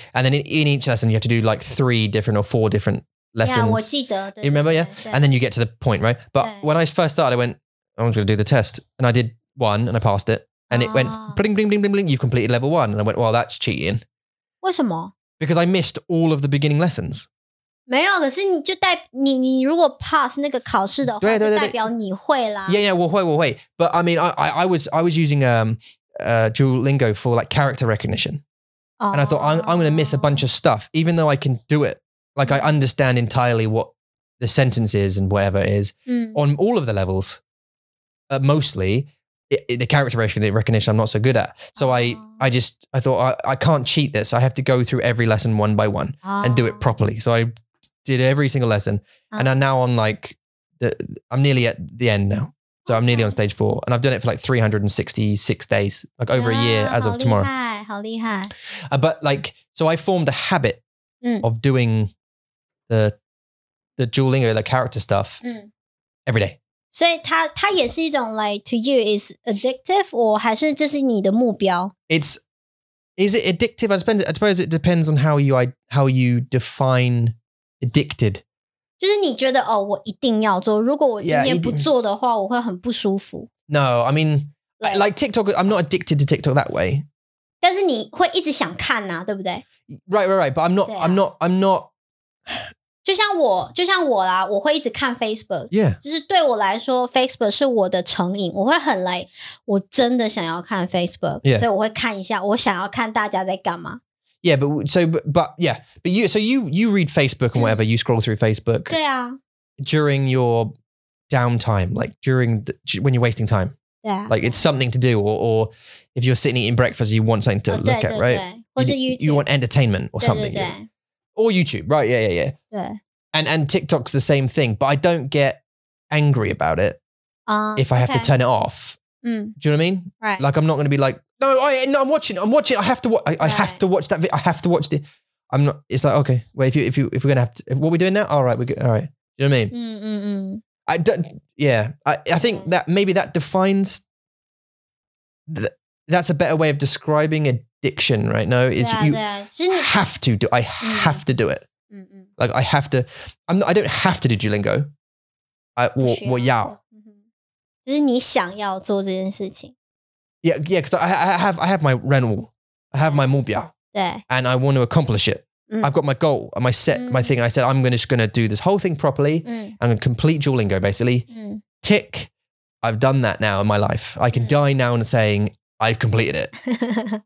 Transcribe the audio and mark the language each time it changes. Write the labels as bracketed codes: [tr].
[en] And then in each lesson, you have to do like three different or four different lessons. [zh] Yeah, 我记得。 [en] You remember, yeah? And then you get to the point, right? But when I first started, I went, I'm just going to do the test. And I did one and I passed it. And it went, bling, bling, bling, bling, bling, you've completed level one. And I went, well, that's cheating. [zh] 为什么? [en] Because I missed all of the beginning lessons. [zh] 没有，可是你就代你如果 pass 那个考试的话，对，就代表你会啦。 Yeah, 我会。 [en] But I mean, I was using Duolingo for like character recognition, and I thought I'm going to miss a bunch of stuff, even though I can do it. Like I understand entirely what the sentence is and whatever it is on all of the levels. Mostly, the character recognition I'm not so good at. So I thought I can't cheat this. I have to go through every lesson one by one and do it properly. So I did every single lesson. And I'm now on like, I'm nearly at the end now. So I'm nearly on stage four. And I've done it for like 366 days, like over a year as of tomorrow. [zh] 好厉害。 [en] But like, so I formed a habit of doing the Duolingo, the character stuff every day. So it [zh] 也是一种 [en] like, to you is addictive or [zh] 还是就是你的目标? [en] Is it addictive? I suppose it depends on how you define... addicted. [zh] 就是你觉得哦我一定要做如果我今天不做的话我会很不舒服。 [en] No, I mean, like TikTok, I'm not addicted to TikTok that way. [zh] 但是你会一直想看啊对不对 [en] Right, but I'm not. [zh] 就像我啦我会一直看 Facebook. [en] Yeah. [zh] 就是对我来说 Facebook 是我的成瘾我会很 like, 我真的想要看 Facebook,、 [en] yeah. [zh] 所以我会看一下我想要看大家在干嘛。 [en] Yeah, but you read Facebook and whatever, you scroll through Facebook. [zh] 对啊。 [en] During your downtime, like during the, when you're wasting time. Yeah. Like it's something to do or if you're sitting eating breakfast, you want something to look at, right? [zh] 或是 YouTube. [en] You want entertainment or something. [zh] 对对对。 [en] Or YouTube, right? Yeah. [zh] 对。 [en] And TikTok's the same thing, but I don't get angry about it if I have to turn it off. Do you know what I mean? Right. Like I'm not going to be like,No, I'm watching. I have to watch that. I'm not, it's like, okay, wait, if we're going to have to, what are we doing now? All right, all right. You know what I mean? I don't, yeah. I think that maybe that defines, that's a better way of describing diction, right? No, it's you have to do. I have to do it. Like I have to. I don't have to do Duolingo. [zh] 我要。就是你想要做这件事情。 [en] Yeah, yeah, because I have my 任务, I have my 目标, and I want to accomplish it. I've got my goal, my set, my thing. I said, I'm just going to do this whole thing properly. I'm going to complete Duolingo, basically. Tick, I've done that now in my life. I can die now and saying, I've completed it.